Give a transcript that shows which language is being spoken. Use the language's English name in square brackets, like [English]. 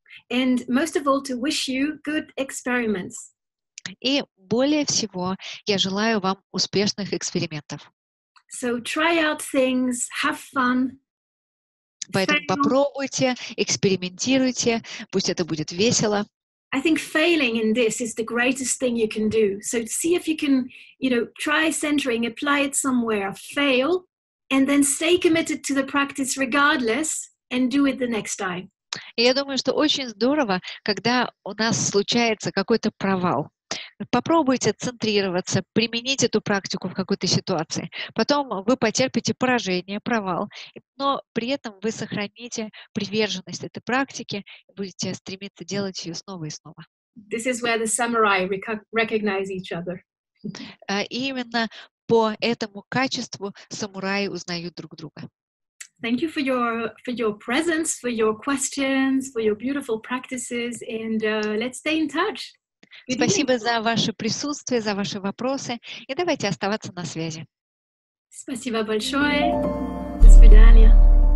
[English] And most of all, to wish you good experiments. [Russian] И более всего, я желаю вам успешных экспериментов. [English] So try out things, have fun. [Russian] Поэтому попробуйте, экспериментируйте, пусть это будет весело. [English] I think failing in this is the greatest thing you can do. So see if you can, you know, try centering, apply it somewhere, fail, and then stay committed to the practice regardless, and do it the next time. [Russian] Я думаю, что очень здорово, когда у нас случается какой-то провал. Попробуйте центрироваться, применить эту практику в какой-то ситуации. Потом вы потерпите поражение, провал, но при этом вы сохраните приверженность этой практике и будете стремиться делать ее снова и снова. [English] This is where the samurai recognize each other. [Russian] Именно по этому качеству самураи узнают друг друга. [English] Thank you for your presence, for your questions, for your beautiful practices, and let's stay in touch. [Russian] Спасибо за ваше присутствие, за ваши вопросы, и давайте оставаться на связи. Спасибо большое. До свидания.